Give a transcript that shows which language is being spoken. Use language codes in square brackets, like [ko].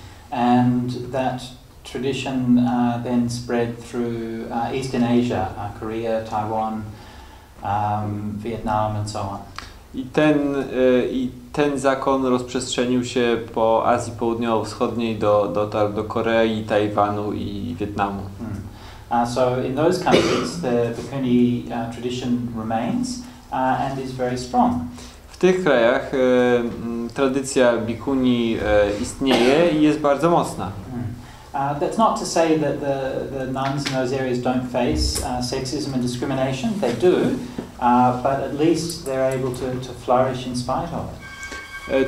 [en] And that tradition then spread through Eastern Asia, Korea, Taiwan, Vietnam and so on. [pl] I ten zakon rozprzestrzenił się po Azji Południowo-Wschodniej, dotarł do Korei, Tajwanu i Wietnamu. [en] So in those countries the bhikkhuni tradition remains and is very strong. [pl] W tych krajach tradycja bhikkhuni istnieje i jest bardzo mocna. [en] That's not to say that the nuns in those areas don't face sexism and discrimination. They do, but at least they're able to flourish in spite of it.